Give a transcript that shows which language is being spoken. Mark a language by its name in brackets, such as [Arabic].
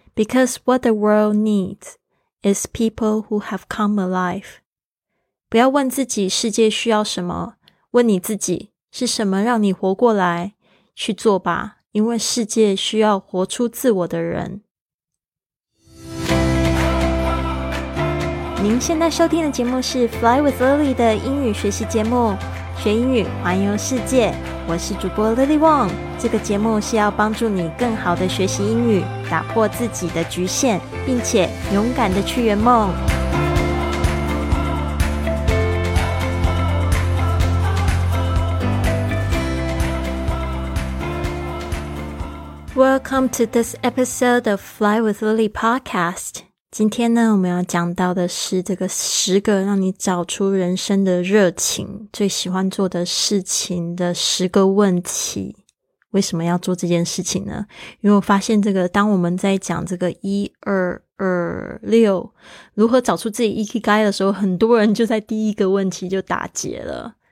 [English] Because what the world needs is people who have come alive. [Chinese] 不要问自己世界需要什么，问你自己是什么让你活过来，去做吧，因为世界需要活出自我的人。您现在收听的节目是 Fly with Lily 的英语学习节目，学英语环游世界，我是主播 Lily Wong。这个节目是要帮助你更好的学习英语，打破自己的局限，并且勇敢的去圆梦。 [English] Welcome to this episode of Fly with Lily podcast. [Chinese] 今天呢，我们要讲到的是这个十个让你找出人生的热情、最喜欢做的事情的十个问题。为什么要做这件事情呢？因为我发现这个，当我们在讲这个一二二六如何找出自己 ikigai 的时候，很多人就在第一个问题就打结了。